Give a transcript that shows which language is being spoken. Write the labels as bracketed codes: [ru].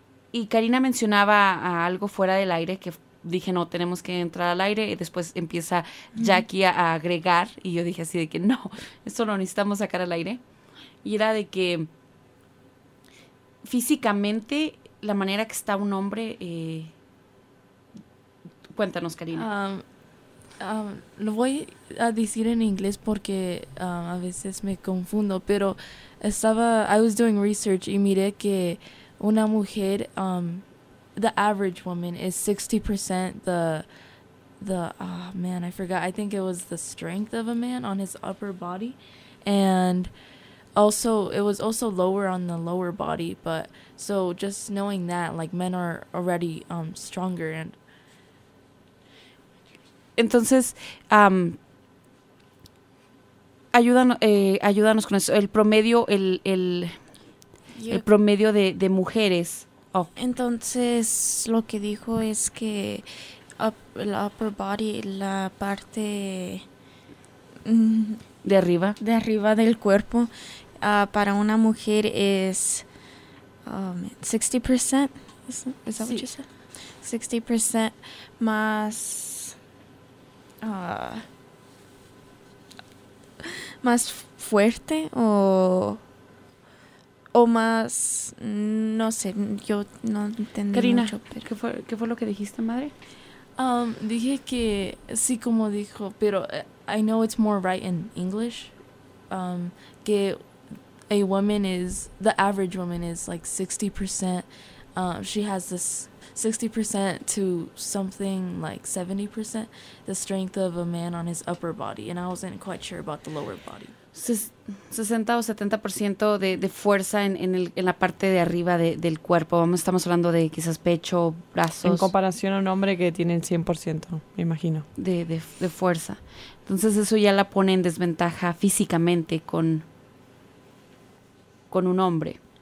[es] Y Karina mencionaba a algo fuera del aire que dije, no, tenemos que entrar al aire, y después empieza Jackie a agregar, y yo dije así de que no, esto lo necesitamos sacar al aire. Y era de que físicamente, la manera que está un hombre, cuéntanos, Karina. Lo voy a decir en inglés porque a veces me confundo, pero [en] I was doing research [es] y miré que una mujer, [en] the average woman is 60% I think it was the strength of a man on his upper body, and also it was also lower on the lower body, but so just knowing that, like, men are already stronger. And [es] entonces ayúdanos con eso, el promedio, el promedio de mujeres. Oh. Entonces, lo que dijo es que la [en] upper body, [es] la parte de arriba del cuerpo, para una mujer es 60%, [en] is that what you said? [es] 60% más fuerte o más, no sé, yo no entendí. Karina, mucho. Karina, ¿qué fue lo que dijiste, madre? Dije que, sí, como dijo, pero [en] I know it's more right in English, [es] que [en] a woman is, the average woman is like 60%, she has this 60% to something like 70%, the strength of a man on his upper body, and I wasn't quite sure about the lower body. [es] 60 o 70% de fuerza en la parte de arriba del cuerpo. Estamos hablando de quizás pecho, brazos. En comparación a un hombre que tiene el 100%, me imagino. De fuerza. Entonces eso ya la pone en desventaja físicamente con un hombre.